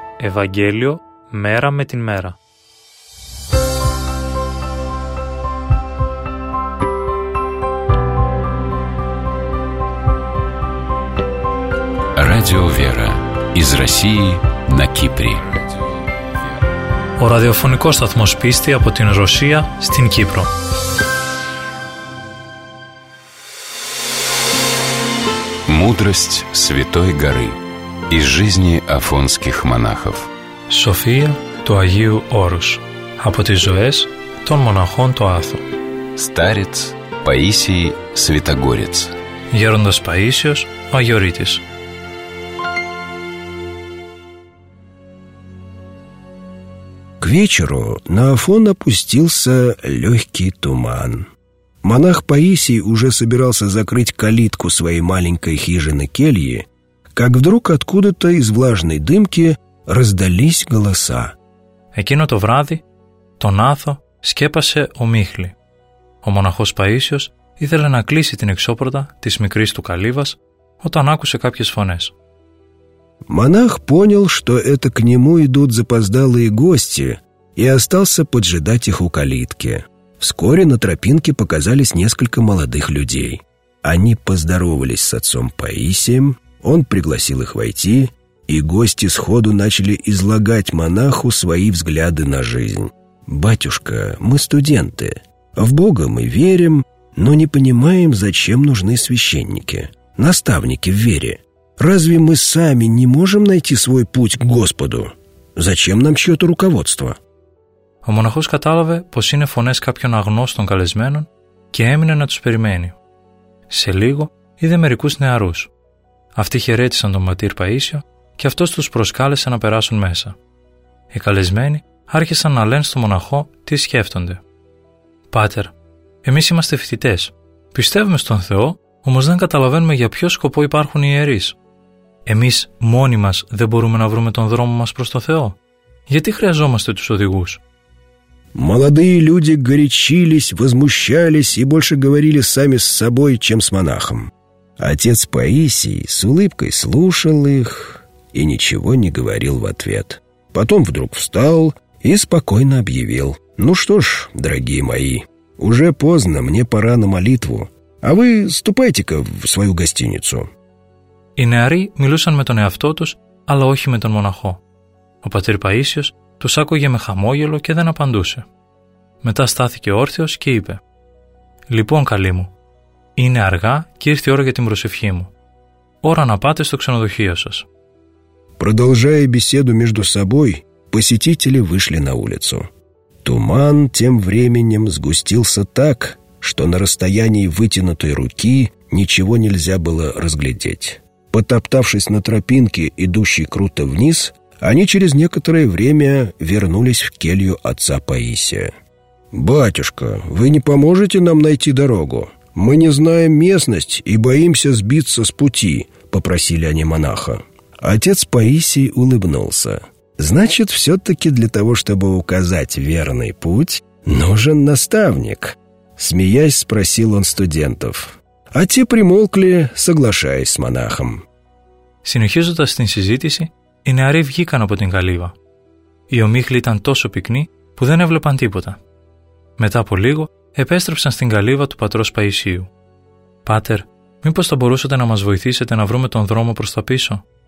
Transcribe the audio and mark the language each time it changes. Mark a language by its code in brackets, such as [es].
[el] Евангелие мера με την мера. [ru] Радио Вера из России на Кипре. [el] О радиофонико сатмос писти από την Ρωσία στην Κύπρο. [ru] Мудрость Святой Горы из жизни афонских монахов. [el] София του Αγίου Όρους από τις ζωές των μοναχών του Άθου. [ru] Старец Паисий Святогорец. [el] Γέροντας Παΐσιος, ο Αγιορείτης. [ru] К вечеру на Афон опустился легкий туман. Монах Паисий уже собирался закрыть калитку своей маленькой хижины-кельи, как вдруг откуда-то из влажной дымки раздались голоса. [el] Εκείνο το βράδυ, τον Άθο σκέπασε ο Μίχλη. Ο μοναχός Παΐσιος ήθελε να κλείσει την εξώπορτα της μικρής του καλύβας, όταν άκουσε κάποιες φωνές. [ru] Монах понял, что это к нему идут запоздалые гости, и остался поджидать их у калитки. Вскоре на тропинке показались несколько молодых людей. Они поздоровались с отцом Паисием, он пригласил их войти, и гости сходу начали излагать монаху свои взгляды на жизнь. «Батюшка, мы студенты. В Бога мы верим, но не понимаем, зачем нужны священники, наставники в вере. Разве мы сами не можем найти свой путь к Господу? Зачем нам чье-то руководство?» [el] Ο μοναχός κατάλαβε πως είναι φωνές κάποιων αγνώστων καλεσμένων και έμεινε να τους περιμένει. Σε λίγο είδε μερικούς νεαρούς. Αυτοί χαιρέτησαν τον ματήρ Παΐσιο και αυτός τους προσκάλεσε να περάσουν μέσα. Οι καλεσμένοι άρχισαν να λένε στο μοναχό τι σκέφτονται. «Πάτερ, εμείς είμαστε φοιτητές. Πιστεύουμε στον Θεό, όμως δεν καταλαβαίνουμε για ποιο σκοπό υπάρχουν οι ιερείς. Εμείς μόνοι μας δεν μπορούμε να βρούμε τον δρόμο μας προς τον Θεό. Γιατί χρειαζόμαστε τους οδηγούς?» [ru] Молодые люди горячились, возмущались и больше говорили сами с собой, чем с монахом. Отец Паисий с улыбкой слушал их и ничего не говорил в ответ. Потом вдруг встал и спокойно объявил: «Ну что ж, дорогие мои, «Уже поздно, мне пора на молитву. А вы ступайте-ка в свою гостиницу». [el] Οι νεαροί μιλούσαν με τον εαυτό τους, αλλά όχι με τον μοναχό. Ο πατήρ Παΐσιος τους άκουγε με χαμόγελο και δεν απαντούσε. Μετά στάθηκε όρθιος και είπε: «Λοιπόν, καλή μου, είναι αργά και ήρθε η ώρα για την προσευχή μου. Ώρα να πάτε στο ξενοδοχείο σας». [ru] Продолжая беседу между собой, посетители вышли на улицу. Туман тем временем сгустился так, что на расстоянии вытянутой руки ничего нельзя было разглядеть. Потоптавшись на тропинке, идущей круто вниз, они через некоторое время вернулись в келью отца Паисия. «Батюшка, вы не поможете нам найти дорогу? Мы не знаем местность и боимся сбиться с пути», — попросили они монаха. Отец Паисий улыбнулся. «Значит, все-таки для того, чтобы указать верный путь, нужен наставник», — смеясь спросил он студентов. А те примолкли, соглашаясь с монахом. [el] Συνεχίζοντας την συζήτηση, οι νεαροί βγήκαν από την καλύβα. Οι ομίχλοι ήταν τόσο πυκνοί που δεν έβλεπαν τίποτα. Μετά από λίγο επέστρεψαν στην καλύβα του πατρός Παϊσίου. «Πάτερ, μήπως θα μπορούσατε να μας βοηθήσετε να βρούμε τον δρόμο προς τα πίσω?